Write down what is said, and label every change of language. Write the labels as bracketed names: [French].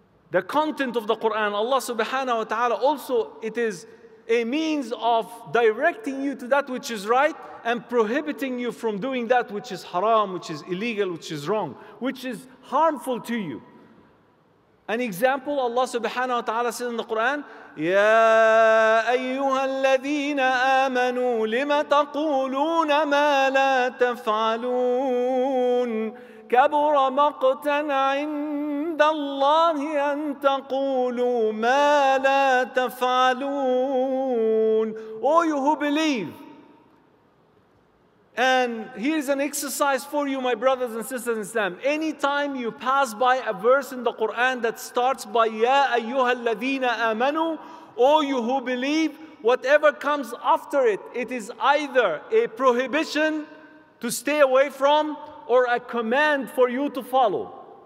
[English] The content of the Qur'an, Allah subhanahu wa ta'ala, also it is a means of directing you to that which is right and prohibiting you from doing that which is haram, which is illegal, which is wrong, which is harmful to you. An example, Allah subhanahu wa ta'ala says in the Qur'an, [Arabic] يَا أَيُّهَا الَّذِينَ آمَنُوا لِمَ تَقُولُونَ مَا لَا تَفْعَلُونَ كَبُرَ مَقْتًا عِنْدَ اللَّهِ أَنْ تَقُولُوا مَا لَا تَفْعَلُونَ. [English] All you who believe. And here's an exercise for you, my brothers and sisters in Islam. Anytime you pass by a verse in the Quran that starts by Ya أَيُّهَا الَّذِينَ آمَنُوا, all you who believe, whatever comes after it, it is either a prohibition to stay away from or a command for you to follow.